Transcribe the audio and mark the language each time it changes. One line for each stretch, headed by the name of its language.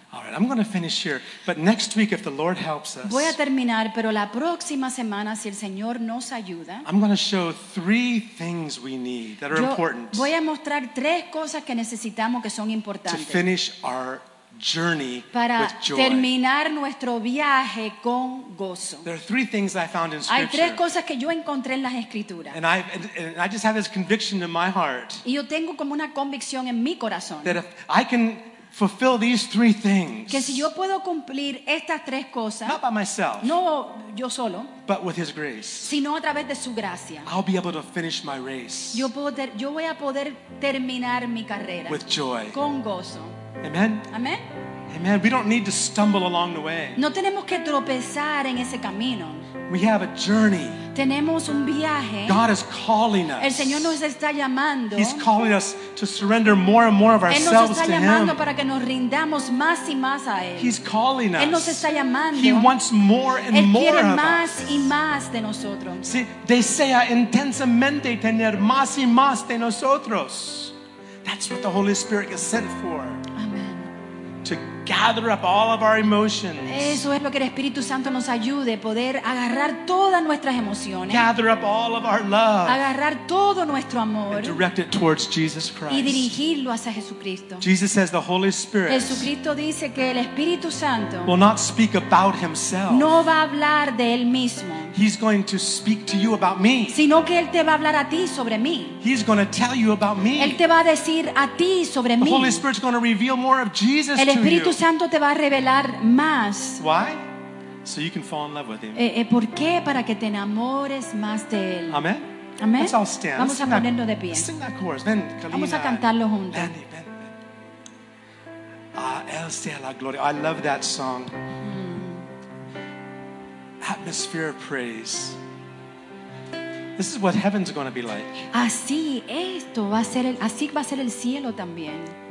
English: All right, I'm going to finish here, but next week, if the Lord helps us,
Spanish: voy a terminar, pero la próxima semana, si el Señor nos ayuda,
English: I'm going to show three things we need that are important.
Spanish: Voy a mostrar tres cosas que necesitamos que son importantes.
English: To finish our journey
Spanish: para
English: with joy.
Spanish: Terminar nuestro viaje con gozo.
English: There are three things I found in Scripture.
Spanish: Hay tres cosas que yo encontré en las Escrituras.
English: And I just have this conviction in my heart.
Spanish: Y yo tengo como una convicción en mi corazón.
English: That if I can fulfill these three things.
Spanish: Que si yo puedo cumplir estas tres cosas.
English: Not by myself.
Spanish: No yo solo.
English: But with His grace.
Spanish: Sino a través de su gracia.
English: I'll be able to finish my race.
Spanish: Yo voy a poder terminar mi carrera.
English: With joy.
Spanish: Con gozo.
English: Amen.
Spanish: Amen. Amen.
English: We don't need to stumble along the way.
Spanish: No tenemos que tropezar en ese camino.
English: We have a journey.
Spanish: Tenemos un viaje.
English: God is calling us.
Spanish: El Señor nos está llamando.
English: He's calling us to surrender more and more of ourselves to Him.
Spanish: Él nos está llamando para que nos rindamos más y más a Él.
English: He's calling us.
Spanish: Él nos está llamando.
English: He wants more and more of us.
Spanish: Él quiere más y más de nosotros. Sí, desea intensamente tener más y más de nosotros.
English: That's what the Holy Spirit is sent for. To gather up all of our emotions.
Spanish: Eso es lo que el Espíritu Santo nos ayude, poder agarrar todas nuestras emociones.
English: Gather up all of our love.
Spanish: Agarrar todo nuestro amor.
English: And direct it towards Jesus Christ.
Spanish: Y dirigirlo hacia Jesucristo.
English: Jesus says the Holy Spirit.
Spanish: Jesucristo dice que el Espíritu Santo
English: will not speak about himself.
Spanish: No va a hablar de él mismo.
English: He's going to speak to you about me.
Spanish: Sino que él te va a hablar a ti sobre mí.
English: He's going to tell you about me.
Spanish: Él te va a decir a ti sobre mí.
English: The Holy Spirit's going to reveal more of Jesus to you.
Spanish: El Espíritu Santo te va a revelar más.
English: Why? So you can fall in love with him.
Spanish: ¿Por qué? Para que te enamores más de él.
English: Amen.
Spanish: Amen.
English: Let's all stand.
Spanish: Vamos
English: sing
Spanish: a ponernos de pie.
English: Sing that chorus. Ven, Kalina,
Spanish: vamos a cantarlo juntos. Ven, ven, ven. A él sea la gloria.
English: I love that song. Atmosphere of praise. This is what heaven's going to be like.
Spanish: Así esto va a ser el, así va a ser el cielo también.